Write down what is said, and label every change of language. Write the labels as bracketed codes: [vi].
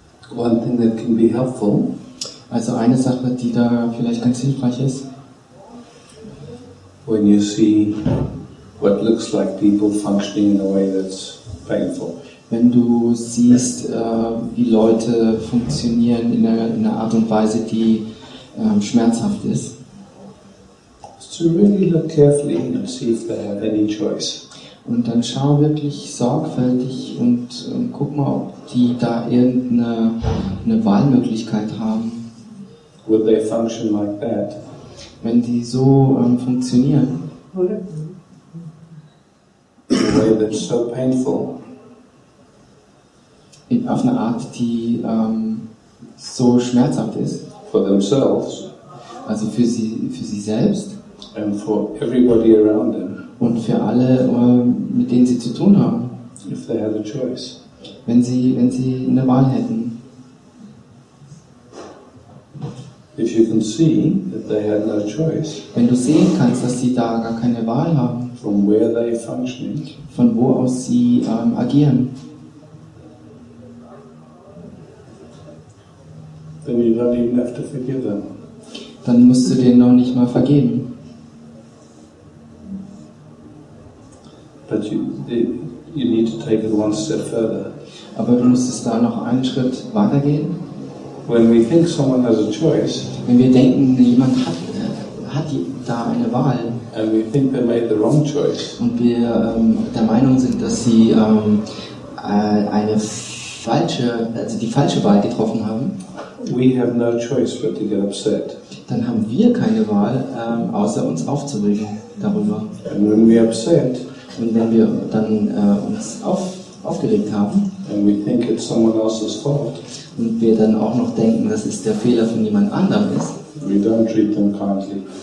[en] One thing that can be helpful. [de] Also eine Sache, die da vielleicht ganz hilfreich ist. [en] When you see what looks like people functioning in a way that's painful. [de] Wenn du siehst, wie Leute funktionieren in einer Art und Weise, die schmerzhaft ist. [en] So really look carefully and see if they have any choice. [de] Und dann schau wirklich sorgfältig und guck mal, ob die da irgendeine Wahlmöglichkeit haben. [en] Would they function like that? [de] Wenn die so funktionieren. [en] In a way that's so painful. [de] Auf eine Art, die so schmerzhaft ist. [en] For themselves. [de] Also für sie selbst. [en] And for everybody around them. [de] Und für alle, mit denen sie zu tun haben. [en] If they had a choice. [de] Wenn sie eine Wahl hätten. [en] If you can see that they had no choice. [de] Wenn du sehen kannst, dass sie da gar keine Wahl haben. [en] From where they functioning. [de] Von wo aus sie agieren. [en] Then you don't even have to forgive them. [de] Dann musst du denen noch nicht mal vergeben. [en] But you need to take it one step further. [de] Aber du musstest da noch einen Schritt weitergehen. [en] When we think someone has a choice, [de] wenn wir denken, jemand hat da eine Wahl, [en] and we think they made the wrong choice, [de] und wir der Meinung sind, dass sie die falsche Wahl getroffen haben, [en] we have no choice but to get upset. [de] Dann haben wir keine Wahl, außer uns aufzuregen darüber. [en] And when we upset. [de] Und wenn wir dann uns aufgeregt haben, [en] and we think it's someone else's fault, [de] und wir dann auch noch denken, das ist der Fehler von jemand anderem ist, [en] we don't treat them kindly.